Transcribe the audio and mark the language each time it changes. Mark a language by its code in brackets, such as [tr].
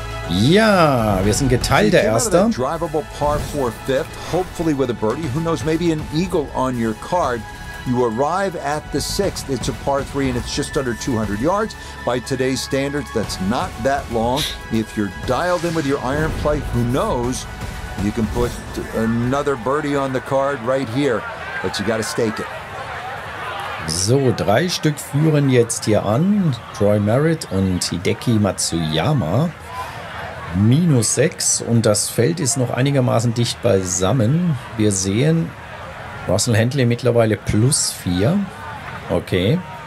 [de] Ja, wir sind geteilter Erster. [en] Drivable par 4 fifth, hopefully with a birdie. Who knows, maybe an eagle on your card. You arrive at the 6th. It's a par 3 and it's just under 200 yards. By today's standards, that's not that long. If you're dialed in with your iron play, who knows, you can put another birdie on the card right here, but you got to stake it. [de] So, drei Stück führen jetzt hier an. Troy Merritt und Hideki Matsuyama. Minus 6 und das Feld ist noch einigermaßen dicht beisammen. Wir sehen Russell Hentley mittlerweile plus 4. Okay.